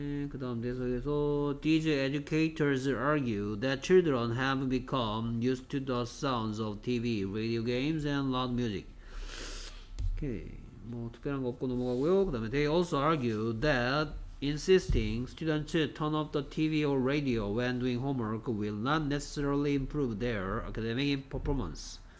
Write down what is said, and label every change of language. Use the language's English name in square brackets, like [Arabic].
[Korean] 그 다음 대석에서 [English] these educators argue that children have become used to the sounds of TV, radio games, and loud music. [Korean] 오케이, 뭐 특별한 거 없고 넘어가고요. 그 다음에 [English] they also argue that insisting students turn off the TV or radio when doing homework will not necessarily improve their academic performance.